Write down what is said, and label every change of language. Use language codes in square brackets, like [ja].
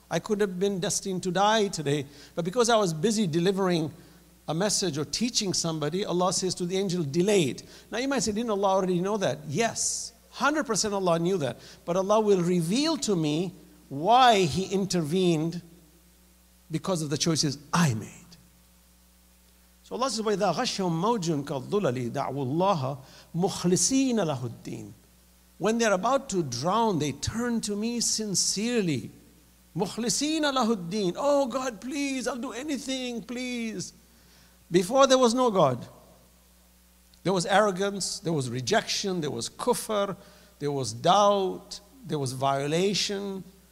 [en] I could have been destined to die today, but because I was busy delivering a message or teaching somebody, Allah says to the angel, delay it. Now you might say, didn't Allah already know that? Yes, 100% Allah knew that. But Allah will reveal to me why He intervened because of the choices I made. So Allah says, [ar] وَإِذَا غَشَّهُمْ مَوْجٌ كَالظُّلَلِ دَعْوُ اللَّهَ مُخْلِصِينَ لَهُ الدِّينَ. [en] When they're about to drown, they turn to me sincerely. [ar] مُخْلِصِينَ لَهُ الدِّينَ. [en] Oh God, please, I'll do anything, please. Before there was no God. There was arrogance, there was rejection, there was kufr, there was doubt, there was violation.